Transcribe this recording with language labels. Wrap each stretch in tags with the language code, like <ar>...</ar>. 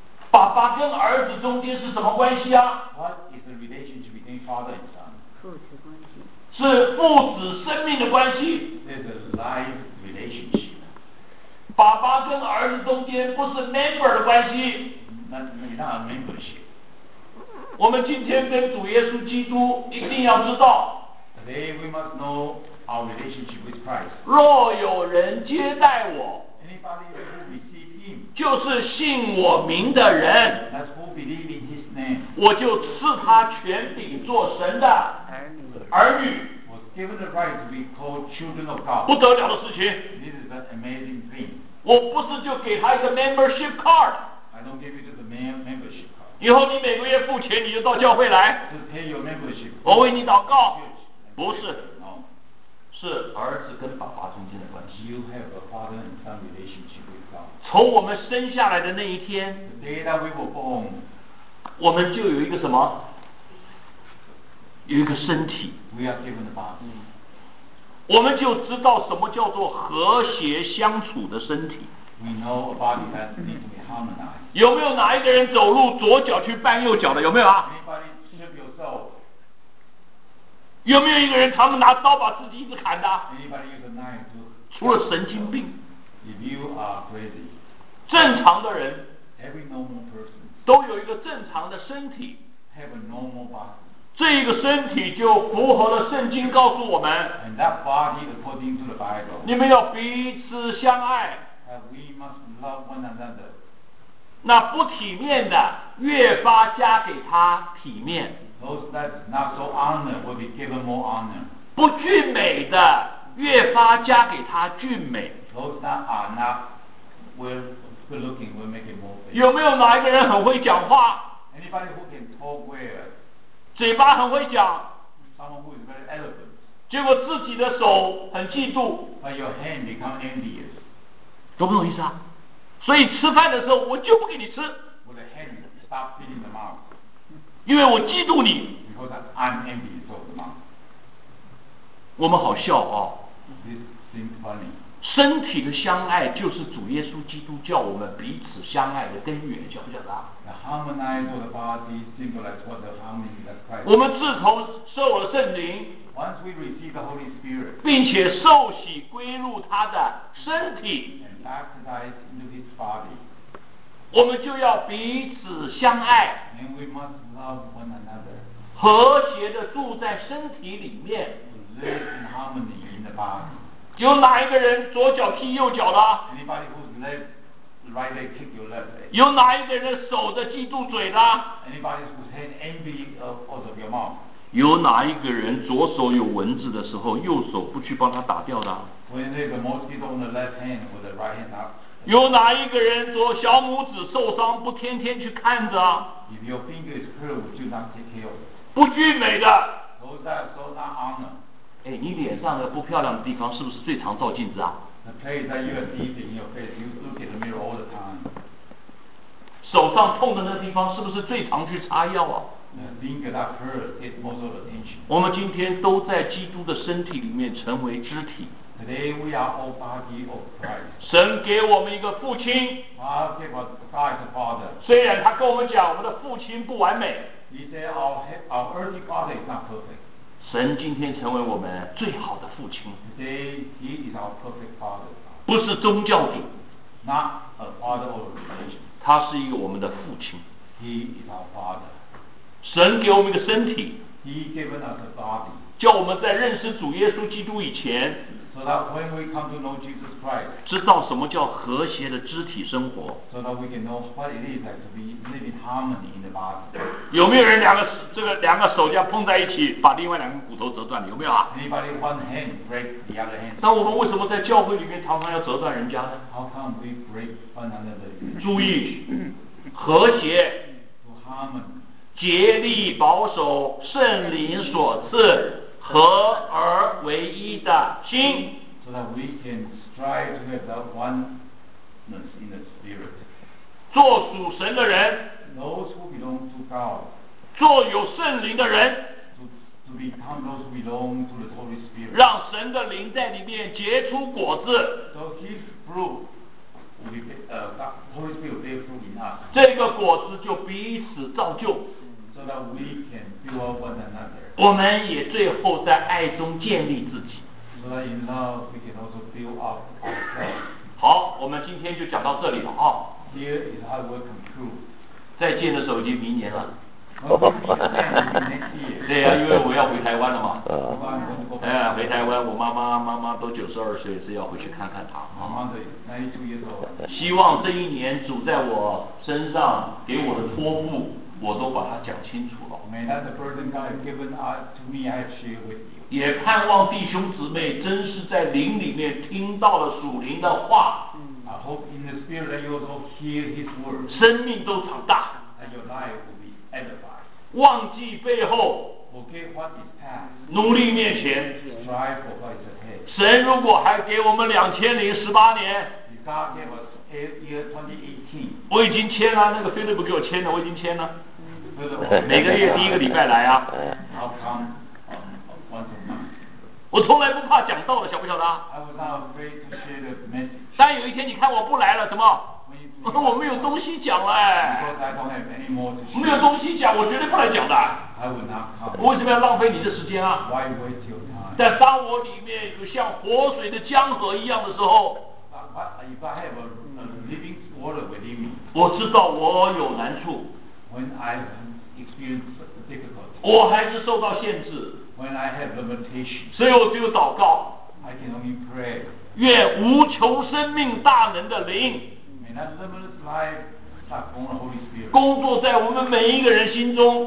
<zh>爸爸跟儿子中间是什么关系啊？</zh> <en>What is the relationship between father and son?</en> <zh>父子关系。是父子生命的关系。</zh> <en>It's a life relationship.</en> <zh>爸爸跟儿子中间不是 member 的关系。</zh> <en>Not a membership.</en> <zh>我们今天跟主耶稣基督一定要知道。</zh> <en>Today we must know our relationship with Christ.</en> <zh>若有人接待我。</zh> <en>Anybody who receives</en> <zh>就是信我名的人</zh> <en>That's who believe in his name.</en> <zh>我就赐他权柄做神的儿女</zh> <en>was given the right to be called children of God.</en> <zh>不得了的事情</zh> <en>This is an amazing thing.</en> <zh>我不是就给他一个 membership card.</zh> <en>I don't give you the membership card.</en> <zh>以后你每个月付钱你就到教会来</zh> <en>To pay your membership.</en> <zh>我为你祷告</zh> <en>Church,</en> <zh>不是、</zh> <en>no.</en> <zh>是儿子跟爸爸中间的关系</zh> <en>You have a father and son relationship.</en> <zh>从我们生下来的那一天</zh> <en>The day that we were born,</en> <zh>我们就有一个什么有一个身体</zh> <en>we are given the body.</en> <zh>我们就知道什么叫做和谐相处的身体</zh> <en>we know a body that needs to be harmonized.</en> <zh>有没有哪一个人走路左脚去绊右脚的有没有啊</zh> <en>Anybody trip yourself?</en> <zh>有没有一个人常常拿刀把自己一直砍的</zh> <en>Anybody use a knife to</en> <zh>除了神经病</zh> <en>If you are crazy,</en> <zh>正常的人</zh> <en>every normal person,</en> <zh>都有一个正常的身体</zh> <en>have a normal body.</en> <zh>这一个身体就符合了圣经告诉我们</zh> <en>And that body according to the Bible,</en> <zh>你们要彼此相爱</zh> <en>And we must love one another.</en> <zh>那不体面的越发加给他体面</zh> <en>Those that are not so honored will be given more honor.</en> <zh>不俊美的越发加给他俊美</zh> <en>Those that are not good looking will make it more famous.</en> <zh>有没有哪一个人很会讲话</zh> <en>Anybody who can talk well.</en> <zh>嘴巴很会讲</zh> <en>Someone who is very eloquent.</en> <zh>结果自己的手很嫉妒</zh> <en>But your hand become envious.</en> <zh>懂不懂意思啊所以吃饭的时候我就不给你吃</zh> <en>With a hand stop feeding the mouth.</en> <zh>因为我嫉妒你</zh> <en>Because I'm envious of the mouth.</en> <zh>我们好笑啊</zh> <en>This seems funny.</en> <zh>身体的相爱就是主耶稣基督叫我们彼此相爱的根源，晓不晓得？</zh> <en>The harmonized of the body symbolizes what the harmony that Christ.</en> <zh>我们自从受了圣灵</zh> <en>，Once we receive the Holy Spirit，</en> <zh>并且受洗归入他的身体</zh> <en>，and baptized into his body，</en> <zh>我们就要彼此相爱</zh> <en>，and we must love one another，</en> <zh>和谐的住在身体里面</zh> <en>，to live in harmony in the body。</en> <zh>有哪一个人左脚踢右脚的</zh> <en>Anybody who's left, right leg kick your left leg.</en> <zh>有哪一个人守着嫉妒嘴的</zh> <en>Anybody who's had envy out of your mouth.</en> <zh>有哪一个人左手有蚊子的时候右手不去帮他打掉的</zh> <en>When there's a mosquito on the left hand with the right hand up.</en> <zh>有哪一个人左小拇指受伤不天天去看着</zh> <en>If your finger is hurt, would you not take care of it?</en> <zh>不俊美的</zh> <en>Those that are so not honored.</en> <zh>哎，你脸上的不漂亮的地方是不是最常照镜子啊</zh> <en>The place that you are deep in your face, you look at the mirror all the time.</en> <zh>手上痛的那地方是不是最常去擦药啊</zh> <en>The finger that hurts gets most of the attention.</en> <zh>我们今天都在基督的身体里面成为肢体。</zh> <en>Today we are all body of Christ.</en> <zh>神给我们一个父亲。</zh> <en>God gave us Christ the Father.</en> <zh>虽然他跟我们讲我们的父亲不完美。</zh> <en>He said our earthly father is not perfect.</en> <zh>神今天成为我们最好的父亲</zh> <en>Today, he is our perfect father.</en> <zh>不是宗教</zh> <en>a father of creation.</en> <zh>他是一个我们的父亲。</zh> <en>He is our father.</en> <zh>神给我们一个身体。</zh> <en>He gave us a body.</en> <zh>叫我们在认识主耶稣基督以前。</zh> <en>So that when we come to know Jesus Christ.</en> <zh>知道什么叫和谐的肢体生活。</zh> <en>So that we can know what it is like to be living in harmony in the body.</en> <zh>有没有人两个这个两个手这样碰在一起，把另外两个骨头折断？有没有啊</zh> <en>？Anybody one hand break the other hand?</en> <zh>那我们为什么在教会里面常常要折断人家呢</zh> <en>？How come we break one another?</en> <zh>注意，和谐。</zh> <en>To harmony.</en> <zh>竭力保守圣灵所赐。合而为一的心</zh> <en>so that we can strive to have that oneness in the spirit</en> <zh>做属神的人</zh> <en>those who belong to God</en> <zh>做有圣灵的人</zh> <en>to become those who belong to the Holy Spirit</en> <zh>让神的灵在里面结出果子</zh> <en>so his fruit will be, Holy Spirit will bear fruit in us</en> <zh>这个果子就彼此造就</zh> <en>So that we can build up one another.</en> <zh>我们也最后在爱中建立自己。</zh> <en>So that in love we can also build up ourselves.</en> <zh>好，我们今天就讲到这里了啊。</zh> <en>Here is how we conclude.</en> <zh>再见的时候已经明年了。</zh> <en>Oh, next year.</en> <zh>对呀、啊，因为我要回台湾了嘛。</zh> <en>Oh.</en> <zh>哎，回台湾，我妈妈都92岁，是要回去看看她。妈妈的，那你注意了。希望这一年主在我身上给我的托付。我都把它讲清楚了。</zh> <en>May that the burden God has given to me, I have shared with you.</en> <zh>也盼望弟兄姊妹真是在灵里面听到了属灵的话。</zh> <en>I hope in the spirit that you also hear His word.</en> <zh>生命都长大。</zh> <en>And your life will be edified.</en> <zh>忘记背后。</zh> <en>Forget what is past.</en> <zh>努力面前。</zh> <en>Strive for what is ahead.</en> <zh>神如果还给我们2018年。</zh> <en>God gave us year 2018.</en> <zh>我已经签了，那个菲利普给我签了，我已经签了。每个月第一个礼拜来啊。</zh> <en>I'll come once a month.</en> <zh>我从来不怕讲道的，晓不晓得？</zh> <en>I was not afraid to share the message.</en> <zh>但有一天你看我不来了，什么？我没有东西讲了、哎。</zh> <en>Because I don't have any more to share.</en> <zh>没有东西讲，我绝对不来讲的。</zh> <en>I would not come.</en> <zh>我为什么要浪费你的时间啊</zh> <en>？Why waste your time?</en> <zh>但当我里面有像活水的江河一样的时候。</zh> <en>If I have a living water within me,</en> <zh>我知道我有难处。</zh> <en>When I experience difficulty,</en> <zh>我还是受到限制。</zh> <en>When I have limitation,</en> <zh>所以我只有祷告。</zh> <en>I can only pray.</en> <zh>愿无穷生命大能的灵。</zh> <en>May that limitless life start from the Holy Spirit.</en> <zh>工作在我们每一个人心中。</zh>